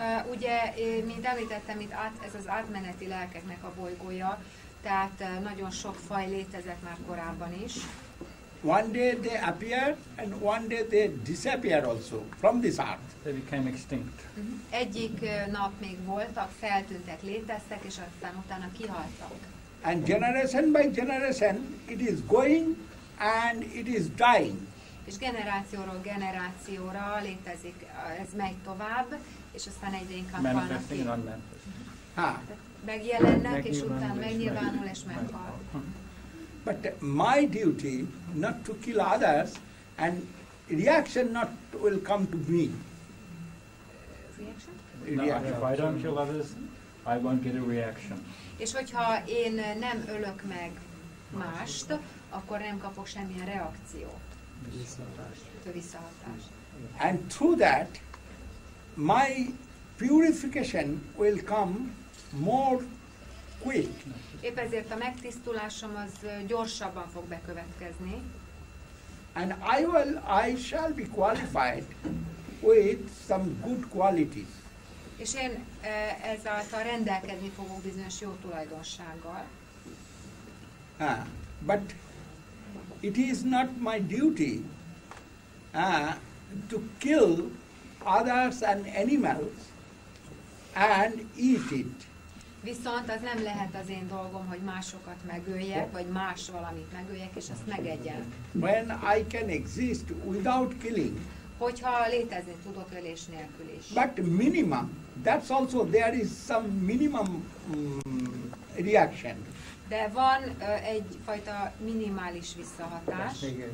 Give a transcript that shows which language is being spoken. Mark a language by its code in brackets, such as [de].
[hu] Ugye, mint említettem, itt ez az átmeneti lelkeknek a bolygója, tehát nagyon sok faj létezett már korábban is. [en] One day they appear and one day they disappear also from this earth. They became extinct. Uh-huh. [hu] Egyik nap még voltak, feltűntek, léteztek, és aztán utána kihaltak. [en] And generation by generation, it is going and it is dying. [hu] És generációról generációra létezik, ez megy tovább, és aztán egyre inkább halnak. [en] Manifesting and unmanifesting. [hu] Megjelennek, és utána megnyilvánul, és meghal. [en] But my duty not to kill others and reaction not will come to me. Reaction? No, if I don't kill others, I won't get a reaction. [hu] És hogyha én nem ölök meg mást, akkor nem kapok semmilyen reakciót. Visszahatást. [en] And through that, my purification will come more quick. [hu] Épp ezért a megtisztulásom az gyorsabban fog bekövetkezni. [en] And I shall be qualified with some good qualities. [hu] És én ezáltal rendelkezni fogok bizonyos jó tulajdonsággal. [en] But it is not my duty to kill others and animals and eat it. [hu] Viszont az nem lehet az én dolgom, hogy másokat megöljek, vagy más valamit megöljek, és azt megegyem. [en] When I can exist without killing. [hu] Hogyha létezni tudok ölés nélkül is. [en] But minimum, that's also there is some minimum reaction. [hu] De van egyfajta minimális visszahatás.